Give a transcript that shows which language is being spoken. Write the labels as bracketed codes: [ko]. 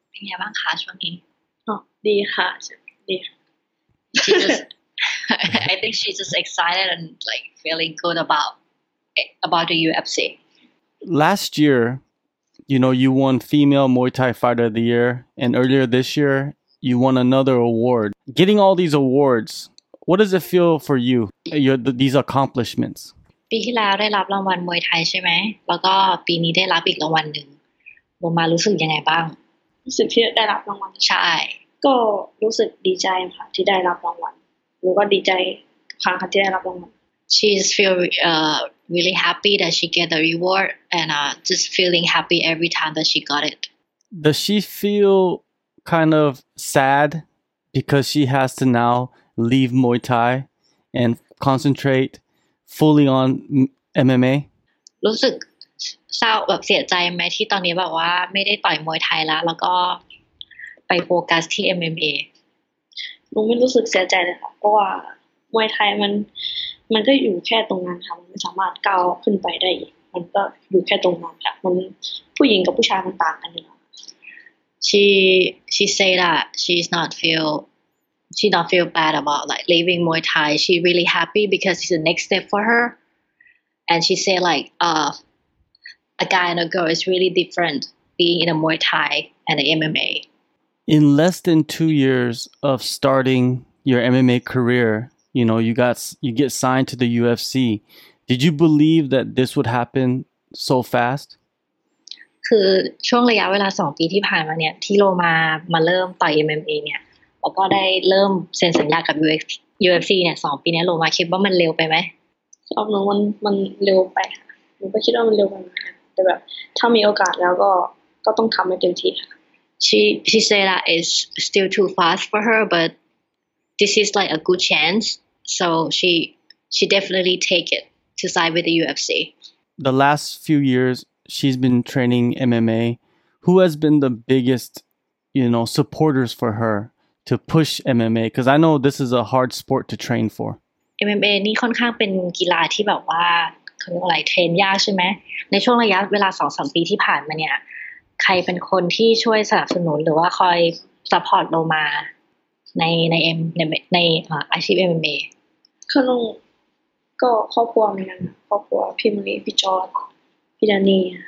[en] I think she's just excited and like feeling good about the UFC. Last year, you know, you won Female Muay Thai Fighter of the Year. And earlier this year, you won another award. Getting all these awards, what does it feel for you, these accomplishments? [th] ปีที่แล้วได้รับรางวัลมวยไทยใช่ไหมแล้วก็ปีนี้ได้รับอีกรางวัลหนึ่งลงมารู้สึกยังไงบ้าง รู้สึกที่ได้รับรางวัล ใช่ก็รู้สึกดีใจค่ะที่ได้รับรางวัลแล้วก็ดีใจครั้งที่ได้รับรางวัล [en] she's feel really happy that she get the reward and just feeling happy every time that she got it does she feel kind of sad because she has to now leave Muay Thai and concentrateFully on MMA. [th] รู้สึกเศร้าแบบเสียใจไหมที่ตอนนี้แบบว่าไม่ได้ต่อยมวยไทยแล้วแล้วก็ไปโฟกัสที่ MMA. หนูไม่รู้สึกเสียใจเลยค่ะเพราะว่ามวยไทยมันก็อยู่แค่ตรงนั้นค่ะมันไม่สามารถก้าวขึ้นไปได้มันก็อยู่แค่ตรงนั้นค่ะมันผู้หญิงกับผู้ชายมันต่างกันอยู่แล้ว [en] She say that she's not feel bad about like leaving Muay Thai. She really happy because it's the next step for her. And she said like, a guy and a girl is really different being in a Muay Thai and an MMA. In less than 2 years of starting your MMA career, you know, you get signed to the UFC. Did you believe that this would happen so fast? [th] คือช่วงระยะเวลา2ปีที่ผ่านมาเนี่ยที่โลมาเริ่มต่อย MMA เนี่ยเราก็ได้เริ่มเซ็นสัญญากับ UFC เนี่ย2ปีนี้โลมาคิดว่ามันเร็วไปไหม ครับมันเร็วไปค่ะผมก็คิดว่ามันเร็วไปค่ะแต่แบบถ้ามีโอกาสแล้วก็ต้องทำให้เต็มที่ค่ะ [en] She say that it's still too fast for her but this is like a good chance so she definitely take it to sign with the UFC The last few years she's been training MMA who has been the biggest you know supporters for herTo push MMA, because I know this is a hard sport to train for. [th] MMA นี่ค่อนข้างเป็นกีฬาที่แบบว่าเขาเรียกอะไรเทรนยากใช่ไหมในช่วงระยะเวลา 2-3 ปีที่ผ่านมาเนี่ยใครเป็นคนที่ช่วยสนับสนุนหรือว่าคอยซัพพอร์ตเรามาในอาชีพ MMA คือลุงก็ครอบครัวเหมือนกันครอบครัวพี่มลีพี่จอร์ดพี่ดานี